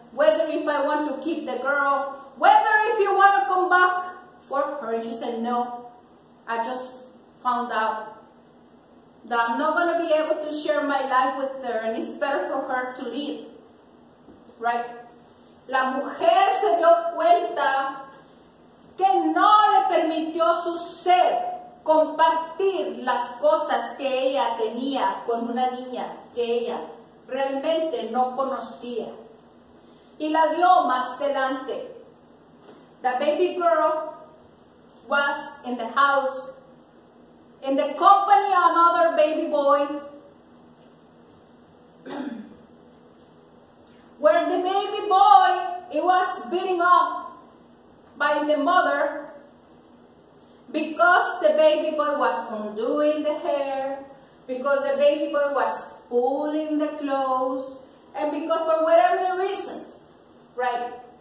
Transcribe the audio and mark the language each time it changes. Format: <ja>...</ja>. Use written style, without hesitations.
<en>Whether if I want to keep the girl, whether if you want to come back for her. And she said, no, I just found out that I'm not going to be able to share my life with her, and it's better for her to leave, right?</en> <es>La mujer se dio cuenta que no le permitió su ser compartir las cosas que ella tenía con una niña que ella realmente no conocía. Y la vio más adelante.</es> <en>The baby girl was in the house in the company of another baby boy, where the baby boy, it was beaten up by the mother because the baby boy was undoing the hair, because the baby boy was pulling the clothes, and because for whatever the reasons, right?</en>